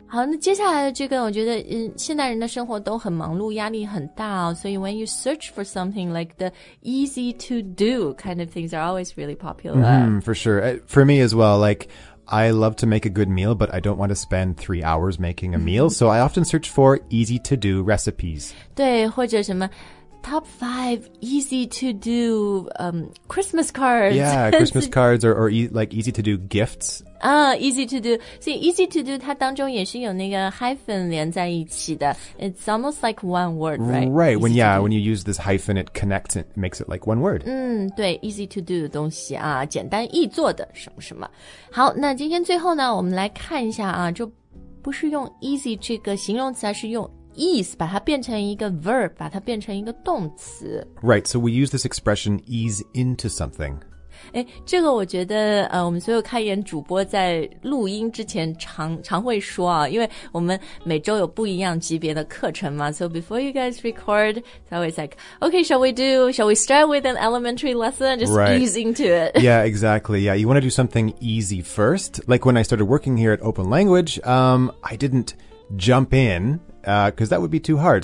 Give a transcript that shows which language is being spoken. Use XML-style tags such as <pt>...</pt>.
<zh>好，那接下来的这个，我觉得，现代人的生活都很忙碌，压力很大哦。</zh> <en>所以 when you search for something like the easy to do kind of things are always really popular. For sure. For me as well, like, I love to make a good meal, but I don't want to spend 3 hours making a meal. So I often search for easy to do recipes.</en> <zh>对，或者什么</zh> <en>Top 5 easy to do Christmas cards. Yeah, Christmas cards or like easy to do gifts. Easy to do. See, easy to do,</en> <zh>它当中也是有那个</zh> <en>hyphen 连在一起的 It's almost like one word, right? Right, when you use this hyphen, it connects it, makes it like one word.</en> <zh>对 easy to do 的东西啊简单易做的什么什么。好那今天最后呢我们来看一下啊就不是用 easy 这个形容词而是用Ease, 把它变成一个 verb, 把它变成一个动词。</zh> <en>Right, so we use this expression ease into something.</en> <zh>哎，这个我觉得我们所有开言主播在录音之前常会说啊，因为我们每周有不一样级别的课程嘛。</zh> <en>So before you guys record, it's always like, okay, shall we start with an elementary lesson? Just ease into it. Yeah, exactly. Yeah, you want to do something easy first. Like when I started working here at Open Language, I didn't jump in, because that would be too hard.</en>